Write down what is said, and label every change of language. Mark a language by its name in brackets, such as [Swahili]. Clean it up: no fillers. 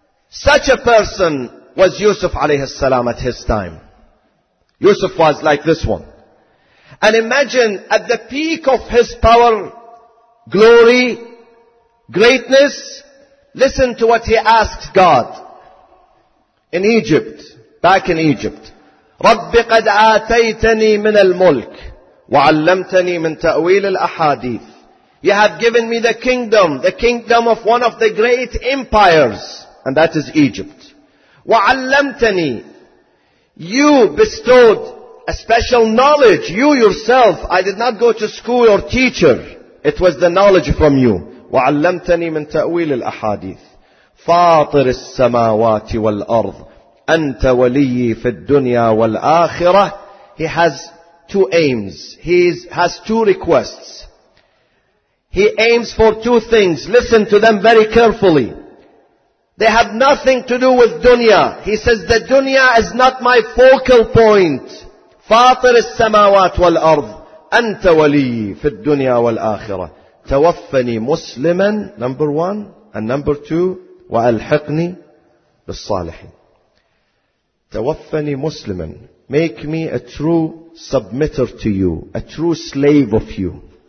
[English] Such a person was Yusuf alayhi salam at his time. Yusuf was like this one. And imagine at the peak of his power, glory, greatness, listen to what he asked God. In Egypt, back in Egypt. [Arabic] رب قد آتيتني من الملك وعلمتني من تأويل الأحاديث. [English] You have given me the kingdom of one of the great empires, and that is Egypt. [Arabic] وَعَلَّمْتَنِي. [English] You bestowed a special knowledge. You yourself. I did not go to school or teacher. It was the knowledge from you. [Arabic] وعلمتني من تأويل الأحاديث. فاطر السماوات والأرض. أنت ولي في الدنيا والآخرة. [English] He has two aims. He has two requests. He aims for two things. Listen to them very carefully. They have nothing to do with dunya. He says, the dunya is not my focal point. [Arabic] فاطر السماوات والأرض. أنت ولي في الدنيا والآخرة. توفني مسلما, [English] number one. And number two, [Arabic] وألحقني بالصالحين. توفني مسلما. [English] Make me a true submitter to you. A true slave of you.